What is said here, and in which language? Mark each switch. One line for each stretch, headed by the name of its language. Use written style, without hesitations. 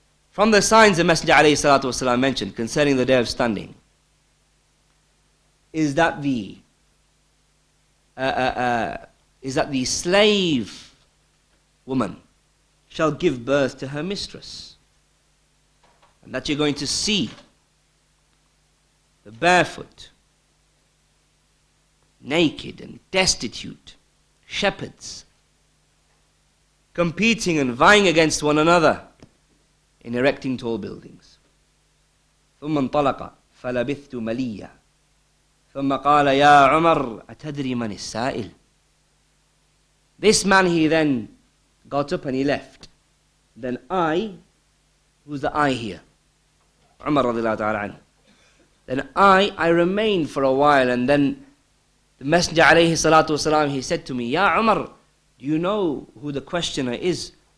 English: From the signs the Messenger alayhi salatu wasalam mentioned concerning the day of standing is that the slave woman shall give birth to her mistress, and that you're going to see the barefoot, naked and destitute shepherds competing and vying against one another in erecting tall buildings.
Arabic: ثم انطلق فلبثت مليا ثم قال يا عمر أتدري من السائل.
English: This man, he then got up and he left. Then I, who's the I here?
Arabic: عمر رضي الله تعالى عنه.
English: Then I remained for a while, and then the Messenger
Arabic: عليه الصلاة والسلام,
English: he said to me,
Arabic: يا عمر,
English: do you know who the questioner is?